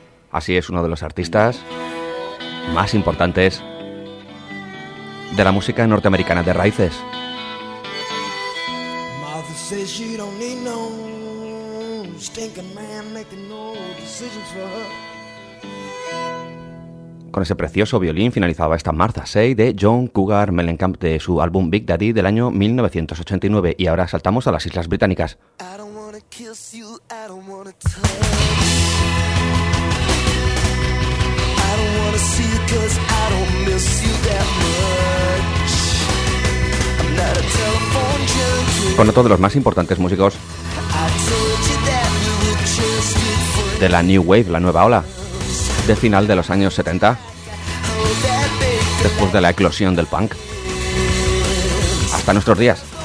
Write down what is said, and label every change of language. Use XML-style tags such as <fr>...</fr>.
<es>Así es uno de los artistas más importantes de la música norteamericana de raíces.</es> <en>Mother says she don't need no stinking man making no decisions for her.</en> <es>Con ese precioso violín finalizaba esta Martha Say de John Cougar Mellencamp de su álbum Big Daddy del año 1989. Y ahora saltamos a las Islas Británicas.</es> <en>I don't wanna kiss you, I don't wanna touch. I don't wanna see you 'cause I don't miss you that much. I'm not a telephone junkie.</en> <es>Con otro de los más importantes músicos de la New Wave, la nueva ola de final de los años 70, después de la eclosión del punk hasta nuestros días.</es>